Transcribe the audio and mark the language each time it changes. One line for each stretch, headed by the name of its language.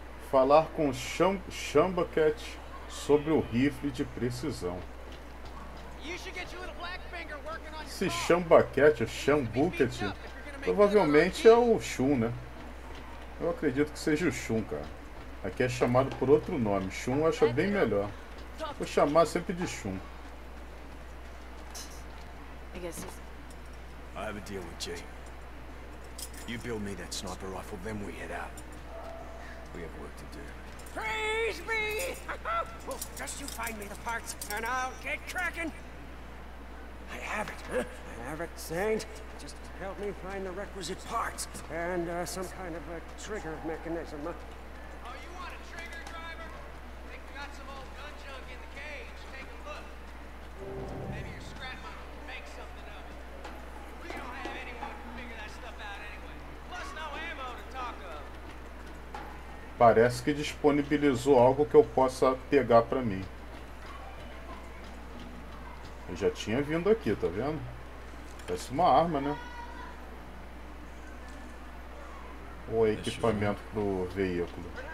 Portuguese: Falar com Shambaket sobre o rifle de precisão.
English: You should get your little black finger working on
Portuguese: Esse Shambaket, o Shambuket, provavelmente é o Shun, né? Eu acredito que seja o Shun, cara. Aqui é chamado por outro nome. Shun eu acho bem melhor. Vou chamar sempre de Shun.
English: I have a deal with Jay. You build me that sniper rifle, then we head out. We have work to do. Praise me! Just you find me the parts and I'll get cracking! I have it. I have it, Saint. Just help me find the requisite parts and some kind of a trigger mechanism. Oh, you want a trigger, driver? I think we got some old gun junk in the cage. Take a look. Maybe your scrap monkey can make something of it. We don't have anyone to figure that stuff out anyway. Plus, no ammo to talk of.
Portuguese: Parece que disponibilizou algo que eu possa pegar para mim. Eu já tinha vindo aqui, tá vendo? Parece uma arma, né? o equipamento pro veículo.